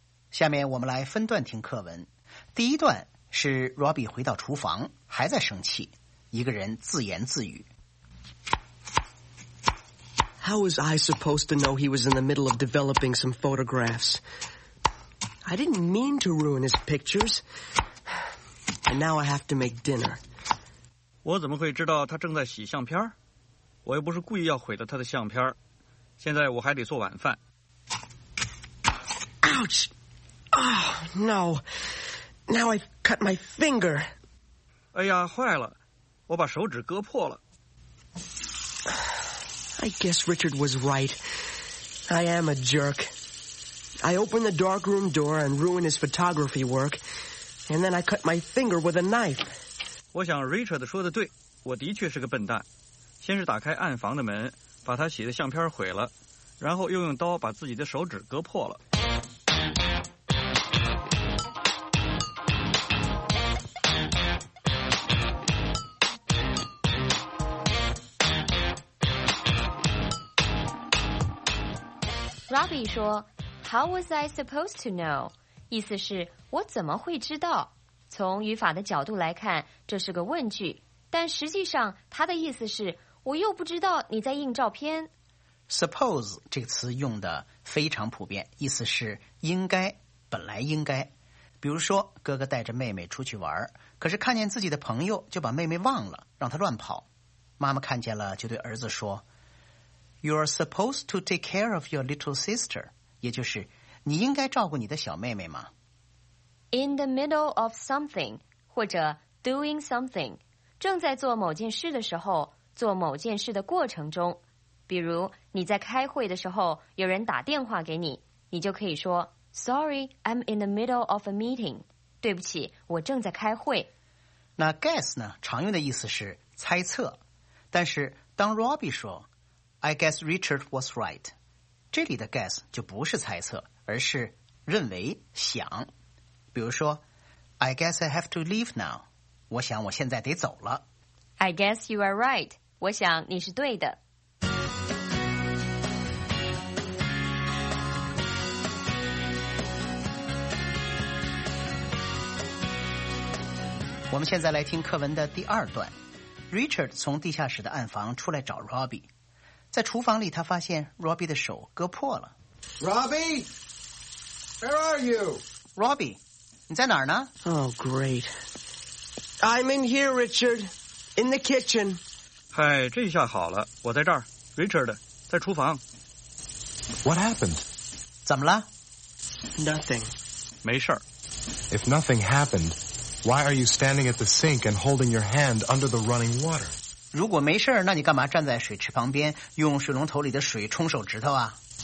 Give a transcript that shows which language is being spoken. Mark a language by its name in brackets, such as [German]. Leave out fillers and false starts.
[Chinese] 下面我们来分段听课文。第一段是 Robbie 回到厨房还在生气，一个人自言自语。 [English] How was I supposed to know he was in the middle of developing some photographs? I didn't mean to ruin his pictures. And now I have to make dinner. [Chinese] 我怎么会知道他正在洗相片？我又不是故意要毁了他的相片。现在我还得做晚饭。 [English] Ouch! Oh, no. Now I've cut my finger. [Chinese] 哎呀，坏了。我把手指割破了。 [English] I guess Richard was right. I am a jerk. I open the darkroom door and ruin his photography work, and then I cut my finger with a knife. [Chinese] 我想 Richard 说的对，我的确是个笨蛋。先是打开暗房的门，把他洗的相片毁了，然后又用刀把自己的手指割破了。 [English] Robbie 说 How was I supposed to know? [Chinese] 意思是我怎么会知道？从语法的角度来看，这是个问句，但实际上它的意思是我又不知道你在印照片。 Suppose 这个词用的非常普遍，意思是应该，本来应该。比如说哥哥带着妹妹出去玩，可是看见自己的朋友就把妹妹忘了，让她乱跑。妈妈看见了就对儿子说 [English] You're supposed to take care of your little sister. [Chinese] 也就是你应该照顾你的小妹妹吗？ [English] In the middle of something, [Chinese] 或者 [English] doing something, [Chinese] 正在做某件事的时候，做某件事的过程中。比如你在开会的时候，有人打电话给你，你就可以说 [English] Sorry, I'm in the middle of a meeting. [Chinese] 对不起，我正在开会。那 guess 呢，常用的意思是猜测。但是当 [English] Robbie 说I guess Richard was right. [Chinese] 这里的 guess 就不是猜测，而是认为、想。比如说 [English] ，I guess I have to leave now. [Chinese] 我想我现在得走了。 [English] I guess you are right. [Chinese] 我想你是对的。我们现在来听课文的第二段。Richard 从地下室的暗房出来找 Robbie。在厨房里，他发现 Robbie 的手割破了。 [English] Robbie, where are you? [Chinese] Robbie, 你在哪儿呢 [English] ？Oh, great. I'm in here, Richard, in the kitchen. [Chinese] 嗨，这下好了，我在这儿。 Richard, 在厨房。 [English] What happened? [Chinese] 怎么了 [English] ？Nothing. [Chinese] 没事儿。 [English] If nothing happened, why are you standing at the sink and holding your hand under the running water? [Chinese] 如果没事儿，那你干嘛站在水池旁边用水龙头里的水冲手指头啊